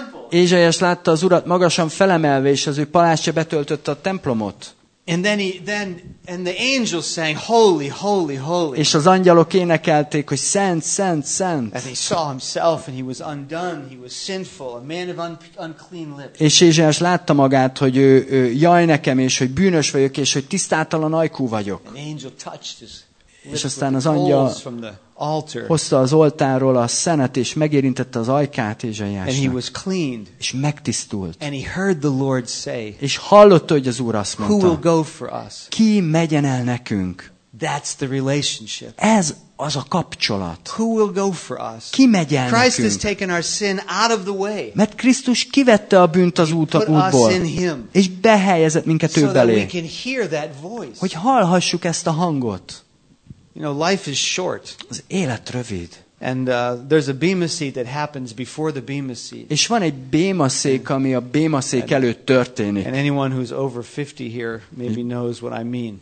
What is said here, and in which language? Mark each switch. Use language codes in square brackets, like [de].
[hu] Ézsaiás látta az Urat magasan felemelve, és az ő palástja betöltötte a templomot. [en] And the angels sang, holy, holy, holy. [hu] És az angyalok énekelték, hogy szent, szent, szent. [en] And he saw himself, and he was undone, he was sinful, a man of unclean lips. [hu] És Ézsaiás látta magát, hogy ő jaj nekem, és hogy bűnös vagyok, és hogy tisztátalan ajkú vagyok. [en] And the angel touched his lips. [hu] És aztán az angyal hozta az oltárról a szenet, és megérintette az ajkát Ézsaiásnak. [en] And he was cleaned. [hu] És megtisztult. [en] And he heard the Lord say, [hu] és hallotta, hogy az Úr azt mondta, [en] who will go for us? [hu] Ki megyen el nekünk? [en] That's the relationship. [hu] Ez az a kapcsolat. [en] Who will go for us? [hu] Ki megy el [en] Christ [hu] nekünk? [en] Has taken our sin out of the way. [hu] Mert Krisztus kivette a bűnt az útból. És behelyezett minket [en] so [hu] ő belé. [en] That we can hear that voice. [hu] Hogy hallhassuk ezt a hangot. [en] You know, life is short. [hu] Az élet rövid. [en] And there's a bema seat that happens before the bema seat. [hu] És van egy bema szék, ami a bema szék előtt történik. [en] And anyone who's over 50 here maybe knows what I mean.